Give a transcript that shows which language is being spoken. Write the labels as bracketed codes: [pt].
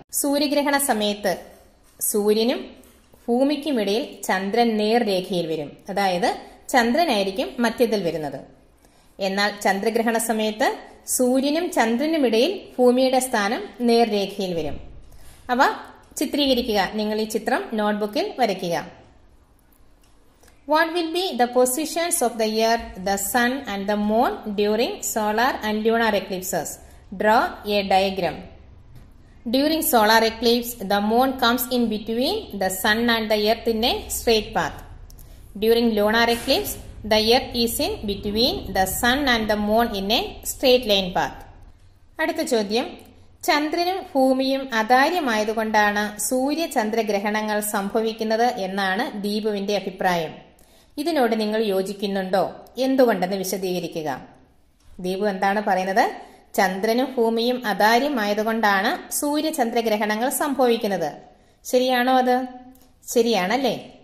[ml] സൂര്യഗ്രഹണ സമയത്ത് സൂര്യനും ഭൂമിക്കും ഇടയിൽ ചന്ദ്രൻ നേർരേഖയിൽ വരും, അതായത് ചന്ദ്രനായിരിക്കും മധ്യത്തിൽ വരുന്നത്. എന്നാൽ ചന്ദ്രഗ്രഹണ സമയത്ത് സൂര്യനും ചന്ദ്രനും ഇടയിൽ ഭൂമിയുടെ സ്ഥാനം നേർരേഖയിൽ വരും. അവ ചിത്രീകരിക്കുക. നിങ്ങൾ ഈ ചിത്രം നോട്ട്ബുക്കിൽ വരയ്ക്കുക. [en] What will be the positions of the earth, the sun and the moon during solar and lunar eclipses? Draw a diagram. During solar eclipse, the moon comes in between the sun and the earth in a straight path. During lunar eclipse, the earth is in between the sun and the moon in a straight line path. [ml] അടുത്ത ചോദ്യം, ചന്ദ്രനും ഭൂമിയും അതാര്യമായതുകൊണ്ടാണ് സൂര്യചന്ദ്രഗ്രഹണങ്ങൾ സംഭവിക്കുന്നത് എന്നാണ് ദീപുവിന്റെ അഭിപ്രായം. ഇതിനോട് നിങ്ങൾ യോജിക്കുന്നുണ്ടോ? എന്തുകൊണ്ടെന്ന് വിശദീകരിക്കുക. ദീപു എന്താണ് പറയുന്നത്? ചന്ദ്രനും ഭൂമിയും അതാര്യമായതുകൊണ്ടാണ് സൂര്യചന്ദ്രഗ്രഹണങ്ങൾ സംഭവിക്കുന്നത്. ശരിയാണോ അത്? ശരിയാണല്ലേ.